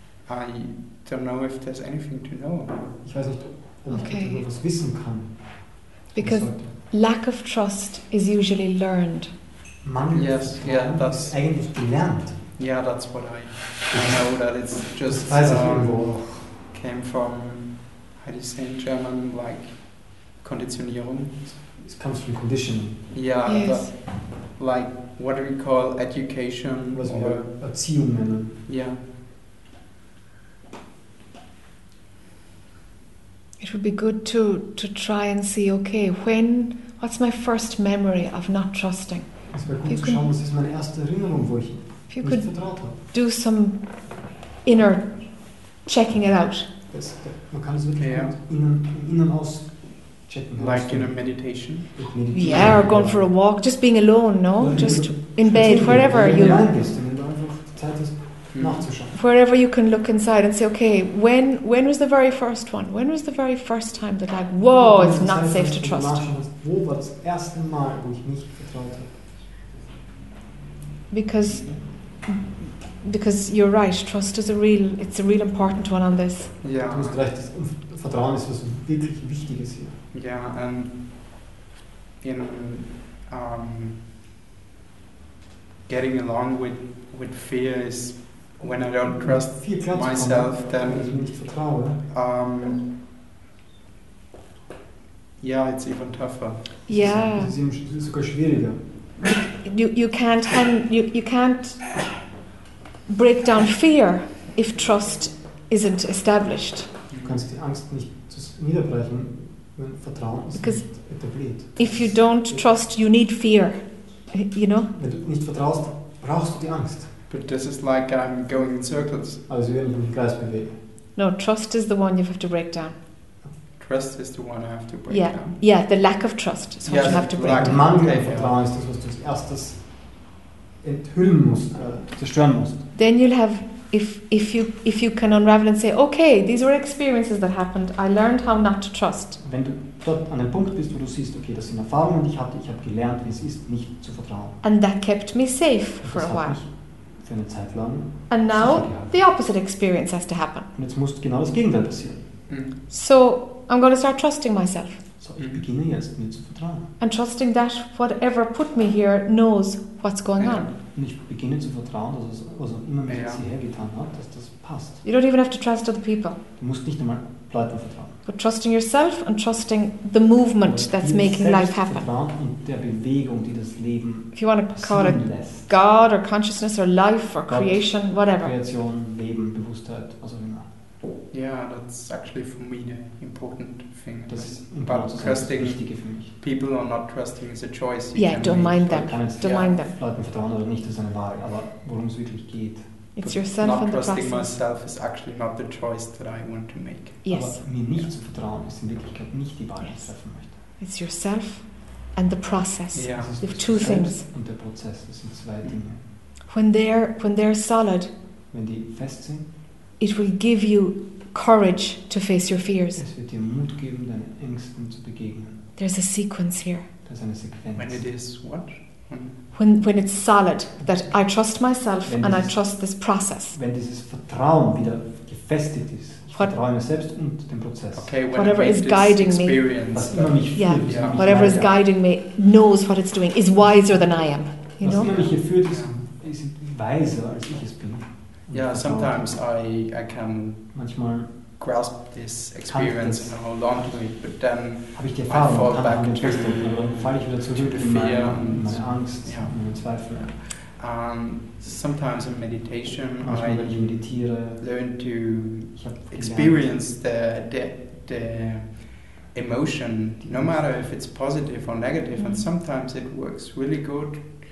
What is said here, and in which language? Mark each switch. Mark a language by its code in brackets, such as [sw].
[en] I don't know if there's anything to know. [de] Ich weiß nicht, ob ich darüber was wissen kann. [en] Because lack of trust is usually learned. [de] Mangel an Vertrauen ist eigentlich gelernt. [en] Yeah, that's what I know, that it's just came from, how do you say in German, like, Konditionierung. It comes from conditioning. Yeah, yes. But like, what do we call education? [de] Was or Erziehung. [en] Yeah. It would be good to try and see, okay, when, what's my first memory of not trusting? [de] Es wäre gut zu schauen, was ist meine erste Erinnerung, wo ich nicht vertraut habe. [en] Do some inner checking it out. [de] Man kann es wirklich innen aus checken. [en] Like in a meditation? Yeah, or going for a walk, just being alone, no? Just in bed, wherever you... [de] Wenn du einfach Zeit hast, nachzuschauen. [en] Wherever you can look inside and say, okay, when was the very first one? When was the very first time that like, whoa, it's not safe to trust? [de] Wo war das erste Mal, wo ich nicht vertraut habe? [en] Because you're right, trust is a real important one on this. Yeah. [de] Vertrauen ist was wirklich Wichtiges hier. [en] Yeah, and in getting along with fear is when I don't trust myself, then it's even tougher. Yeah. [de] Es ist sogar schwieriger. [en] You can't break down fear if trust isn't established. [de] Du kannst die Angst nicht niederbrechen, wenn Vertrauen nicht etabliert. [en] If you don't trust, you need fear. You know? [de] Wenn du nicht vertraust, brauchst du die Angst. [en] But this is like I'm going in circles. [de] Also wir werden den Kreis bewegen. [en] No, trust is the one you have to break down. Trust is the one I have to break down. Yeah, the lack of trust is what you have to break down. [de] Mangel an Vertrauen ist das, was du als erstes enthüllen musst, zerstören musst. [en] Then you'll have, if you can unravel and say, okay, these were experiences that happened, I learned how not to trust. [de] Wenn du dort an dem Punkt bist, wo du siehst, okay, das sind Erfahrungen, die ich hatte, ich habe gelernt, wie es ist, nicht zu vertrauen. [en] And that kept me safe for a while. [de] Für eine Zeit lang. [en] And now the opposite experience has to happen. [de] Und jetzt muss genau das Gegenteil passieren. [en] So, I'm going to start trusting myself. [de] So, ich beginne jetzt, mir zu vertrauen. [en] And trusting that whatever put me here knows what's going on. [de] Und ich beginne zu vertrauen, dass es, was auch immer mich jetzt hierher getan hat, dass das passt. [en] You don't even have to trust other people. [de] Du musst nicht einmal Leuten vertrauen. [en] But trusting yourself and trusting the movement that's making life happen. [de] Vertrauen und der Bewegung, die das Leben [en] if you want to call it God or consciousness or life or creation, whatever. [de] Kreation, Leben, Bewusstheit, was auch immer. [en] Yeah, that's actually for me the important thing. [de] Das ist [en] but trusting [de] für mich. [en] People or not trusting is a choice. Yeah, don't mind them. Don't mind them. [de] Leuten vertrauen oder nicht ist eine Wahl, aber worum es wirklich geht. [en] It's yourself and the process. Not trusting myself is actually not the choice that I want to make. Yes. [de] Aber mir nicht zu vertrauen ist in Wirklichkeit nicht die Wahl, die ich treffen möchte. [en] It's yourself and the process. Yeah. If two things. [de] Und der Prozess, das sind zwei Dinge. [en] When they're solid. [de] Wenn die fest sind. [en] It will give you courage to face your fears. [de] Es wird dir Mut geben, deinen Ängsten zu begegnen. [en] There's a sequence here. [de] Da ist eine Sequenz. [en] When it is what? When it's solid, that I trust myself and I trust this process. [de] Wenn dieses Vertrauen wieder gefestigt ist, ich vertraue mir selbst und dem Prozess. [en] Okay, whatever is guiding me, [de] was immer mich führt, [en] whatever is guiding me knows what it's doing, is wiser than I am. You [de] was immer mich hier führt, ist weiser als ich es bin. [en] Yeah, sometimes I can [de] manchmal [en] grasp this experience and hold on to it, but then [de] habe ich die Erfahrung, [en] I fall back into the fear and [de] meine Angst, meine Zweifel. [en] Sometimes in meditation [de] manchmal, [en] I [de] meditiere, [en] learn to experience the emotion, no matter if it's positive or negative, and sometimes it works really good.